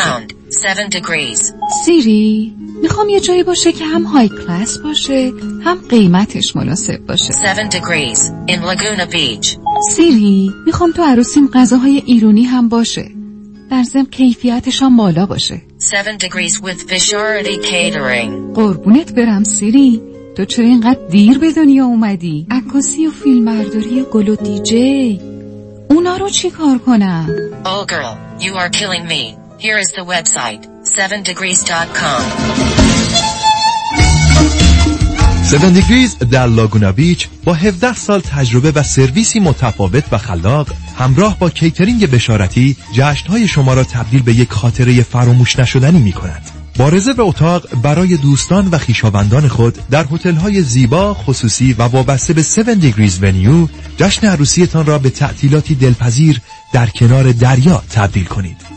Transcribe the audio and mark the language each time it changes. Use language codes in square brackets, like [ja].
[en] Found. 7 degrees. [fa] سیری، میخوام یه جایی باشه که هم های کلاس باشه هم قیمتش مناسب باشه. [en] 7 degrees in Laguna Beach. [fa] سیری، میخوام تو عروسیم غذاهای ایرانی هم باشه، در ضمن کیفیتش هم بالا باشه. [en] 7 degrees with Vishardi Catering. [fa] قربونت برم سیری، تو چرا اینقدر دیر به دنیا اومدی؟ عکاسی و فیلم برداری و گل و دیجی، اونا رو چی کار کنم؟ [en] Oh girl, you are killing me. Here is the website, 7degrees.com. [fa] 7 Degrees در لاگونا بیچ با 17 سال تجربه و سرویسی متفاوت و خلاق، همراه با کیترینگ بشارتی، جشن‌های شما را تبدیل به یک خاطره فراموش نشدنی می کند. با رزرو اتاق برای دوستان و خویشاوندان خود در هتل‌های زیبا، خصوصی و وابسته به 7 Degrees Venue، جشن عروسیتان را به تعطیلاتی دلپذیر در کنار دریا تبدیل کنید.